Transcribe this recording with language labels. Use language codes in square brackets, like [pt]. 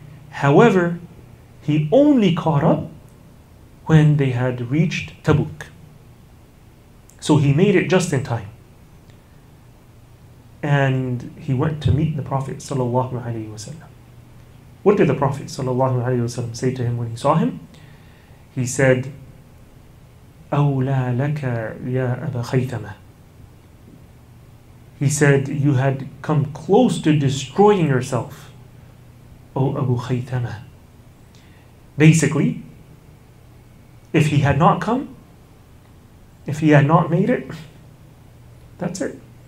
[en] However, he only caught up when they had reached Tabuk. So he made it just in time. And he went to meet the Prophet sallallahu alaihi wasallam. What did the Prophet sallallahu alaihi wasallam say to him when he saw him? He said, [ar] أولى لك يا أبا خيثمة. [en] He said, you had come close to destroying yourself, O Abu Khaythama. Basically, if he had not come, if he had not made it, that's it.